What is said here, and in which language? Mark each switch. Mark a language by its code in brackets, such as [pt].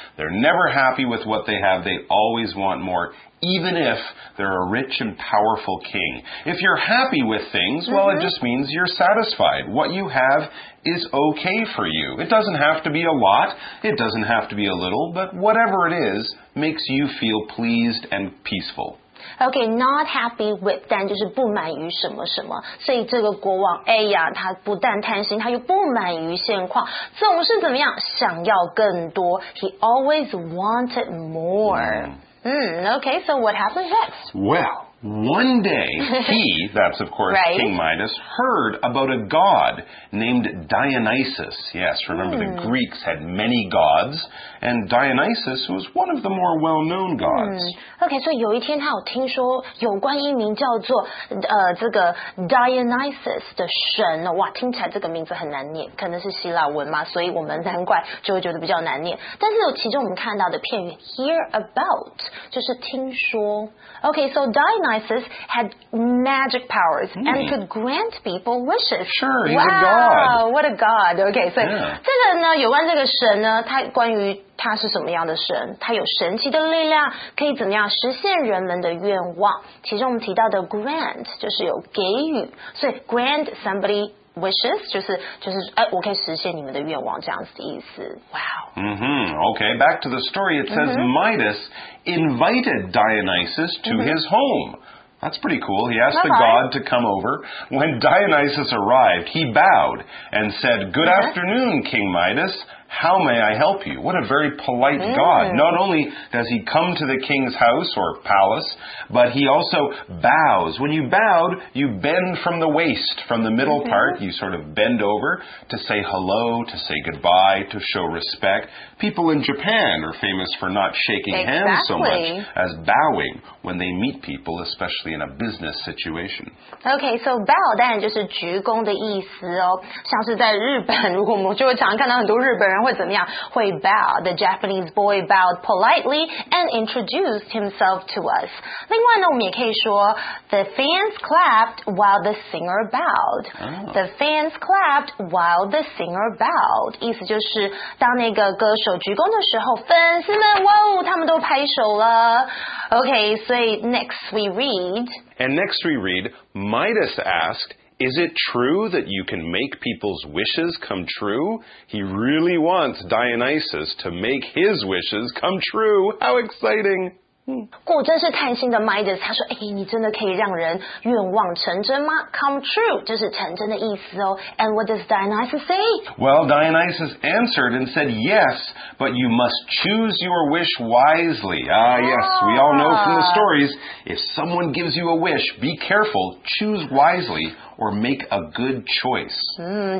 [en] They're never happy with what they have. They always want more, even if they're a rich and powerful king. If you're happy with things, well, it just means you're satisfied. What you haveis okay for you. It doesn't have to be a lot, it doesn't have to be a little, but whatever it is makes you feel pleased and peaceful. Okay, not happy with, [zh] 但就是不满于什么什么。所以这个国王 A 呀，他不但贪心，他又不满于现况，总是怎么样，想要更多。 [en] He always wanted more. Okay, so what happened next? Well,one day, he, that's of course King Midas, heard about a god named Dionysus. Yes, remember the Greeks had many gods, and Dionysus was one of the more well-known gods. Okay, so [zh] 有一天他有听说有关一名叫做这个 Dionysus 的神，哇，听起来这个名字很难念，可能是希腊文嘛，所以我们难怪就会觉得比较难念。但是其中我们看到的片语 hear about, 就是听说。 [en] Okay, so Dionysus had magic powers and could grant people wishes. Sure, he's a god. Wow, what a god. Okay, so [zh] 这个呢，有关这个神呢，他关于他是什么样的神，他有神奇的力量，可以怎么样实现人们的愿望。其中我们提到的 grant 就是有给予，所以 [en] grant somebody wishes [zh] 就是哎，我可以实现你们的愿望这样子的意思。 [en] Wow. Okay, back to the story. It says Midas invited Dionysus to his home. That's pretty cool. He asked the god to come over. When Dionysus arrived, he bowed and said, good afternoon, King Midas. How may I help you? What a very polite god. Not only does he come to the king's house or palace, but he also bows. When you bowed, you bend from the waist, from the middle part, you sort of bend over to say hello, to say goodbye, to show respect. People in Japan are famous for not shaking hands so much as bowing when they meet people, especially in a business situation. Okay, so [zh] bow 当然就是鞠躬的意思哦。像是在日本，如果我们就会常看到很多日本人会怎么样，会 bow. [en] The Japanese boy bowed politely and introduced himself to us. [zh] 另外呢，我们也可以说 [en] the fans clapped while the singer bowed. The fans clapped while the singer bowed. [zh] 意思就是当那个歌手鞠躬的时候，粉丝们哇哦，他们都拍手了。 [en] Okay, so next we read. And next we read, Midas asked,is it true that you can make people's wishes come true? He really wants Dionysus to make his wishes come true. How exciting! [zh] 果真是贪心的 Midas, 他说，诶，你真的可以让人愿望成真吗？ Come true, 就是成真的意思哦。 [en] And what does Dionysus say? Well, Dionysus answered and said, yes, but you must choose your wish wisely. Ah, yes, we all know from the stories, if someone gives you a wish, be careful, choose wisely. Or make a good choice.